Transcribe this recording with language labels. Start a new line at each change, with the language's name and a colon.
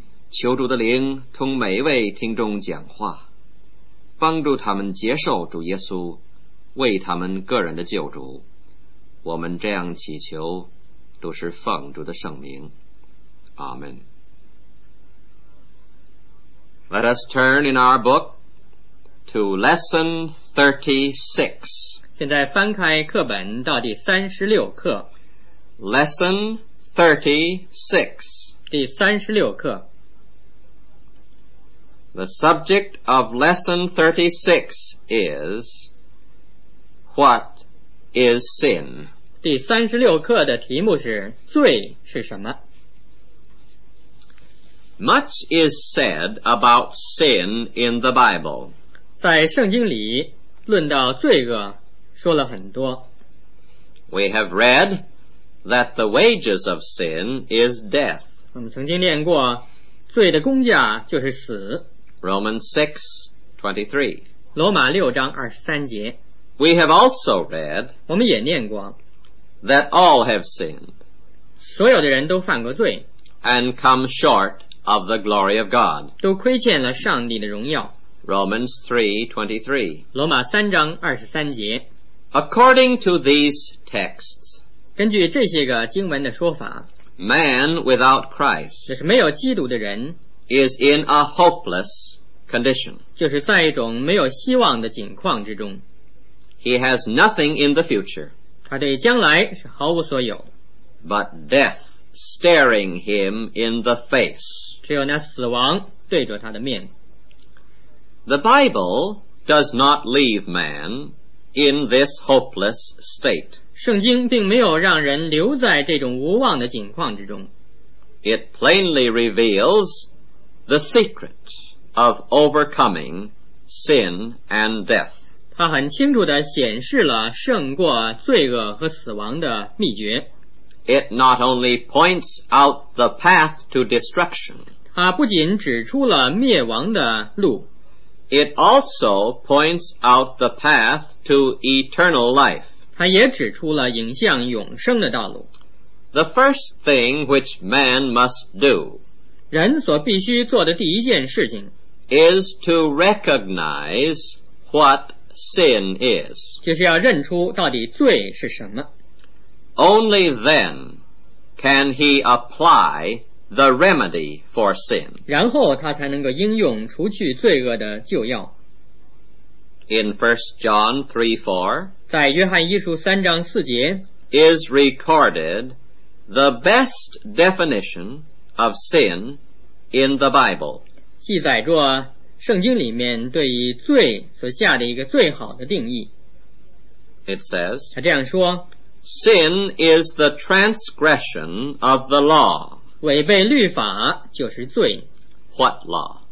Chinese: 求主的灵同每一位听众讲话，帮助他们接受主耶稣为他们个人的救主。我们这样祈求都是奉主的圣名，阿们。
English: Let us turn in our book to Lesson 36.
Chinese: 现在翻开课本到第36课。
English: Lesson 36.
Chinese: 第36课。
English: The subject of Lesson 36 is What is Sin?
Chinese: 第36课的题目是罪是什么？
English: Much is said about sin in the Bible.
Chinese: 在圣经里论到罪恶说了很多。
English: We have read that the wages of sin is death.
Chinese: 我们曾经念过罪的工价就是死。
English: Romans 6:23.
Chinese: 罗马六章二十三节。
English: We have also read,
Chinese: 我们也念过
English: that all have sinned.
Chinese: 所有的人都犯过罪。
English: And come short of the glory of God.
Chinese: 都亏欠了上帝的荣耀。
English: Romans 3:23.
Chinese: 罗马三章二十三节。
English: According to these texts,
Chinese: 根据这些个经文的说法，
English: man without Christ,
Chinese: 就是没有基督的人，
English: is in a hopeless condition.
Chinese: 就是在一种没有希望的境况之中。
English: He has nothing in the future.
Chinese: 他对将来是毫无所有。
English: But death staring him in the face.
Chinese: 只有那死亡对着他的面。
English: The Bible does not leave man in this hopeless state.
Chinese: 圣经并没有让人留在这种无望的境况之中。
English: It plainly reveals the secret of overcoming sin and death.
Chinese: 它很清楚地显示了胜过罪恶和死亡的秘诀。
English: It not only points out the path to destruction,
Chinese: 它不仅指出了灭亡的路，
English: It also points out the path to eternal life,
Chinese: 它也指出了引向永生的道路。
English: The first thing which man must do,
Chinese: 人所必须做的第一件事情，
English: is to recognize what sin is,
Chinese: 就是要认出到底罪是什么。
English: Only then can he apply the remedy for sin.
Chinese: 然后他才能够应用除去罪恶的救药。
English: In 1 John 3:4,
Chinese: 在约翰一书三章四节
English: is recorded the best definition of sin in the Bible.
Chinese: 记载着圣经里面对于罪所下的一个最好的定义。
English: It says,
Chinese: 他这样说，
English: Sin is the transgression of the law.
Chinese: 违背律法就是罪。
English: What law?